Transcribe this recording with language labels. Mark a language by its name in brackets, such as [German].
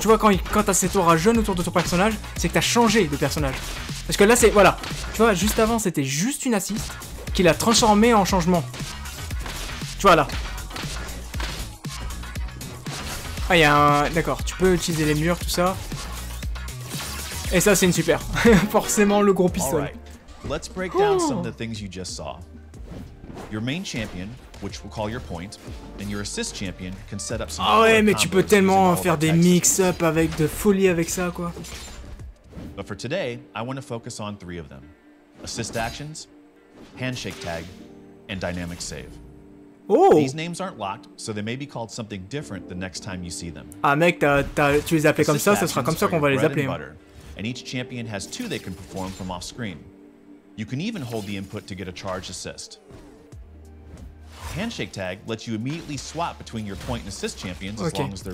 [French] Tu vois, quand t'as cette aura jaune autour de ton personnage, c'est que t'as changé de personnage. Parce que là, c'est... Voilà. Tu vois, juste avant, c'était juste une assist qu'il a transformé en changement. Tu vois, là. Ah, il y a un... D'accord, tu peux utiliser les murs, tout ça. Et ça, c'est une super. Forcément, le gros pistolet. [English] Alright, let's break down some of the things you just saw. Your main champion, which we'll call your point, and your assist champion can set up some... [French] Ah ouais, mais tu peux tellement faire des mix-up avec de folie avec ça, quoi. [English] But for today, I want to focus on three of them. Assist actions, handshake tag, and dynamic save. Oh! These names aren't locked, so they may be called something different the next time you see them. [French] Ah mec, tu les appelles comme ça, ce sera comme ça qu'on va les appeler. [English] Butter, and each champion has two they can perform from off screen. You can even hold the input to get a charge assist. Handshake tag lets you immediately swap between your point and assist champions as long as they're